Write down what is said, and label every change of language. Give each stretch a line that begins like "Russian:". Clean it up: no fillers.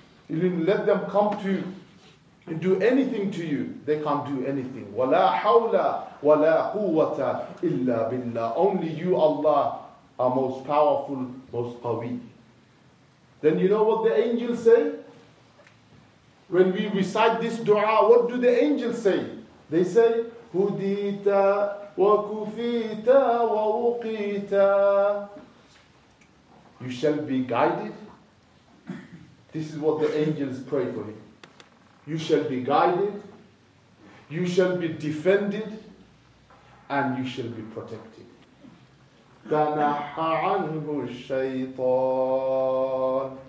English: Let them come to do anything to you. They can't do anything.
Arabic: وَلَا حَوْلَ وَلَا قُوَّةَ إِلَّا بِاللَّهِ.
English: Only you, Allah, are most powerful, most qawi. Then you know what the angels say? When we recite this dua, what do the angels say? They say,
Arabic: هُدِيتَ وَكُفِيتَ وَوُقِيتَ.
English: You shall be guided. This is what the angels pray for him. You shall be guided, you shall be defended, and you shall be protected.
Arabic: تَنَحَ عَنْهُ الشَّيْطَانِ.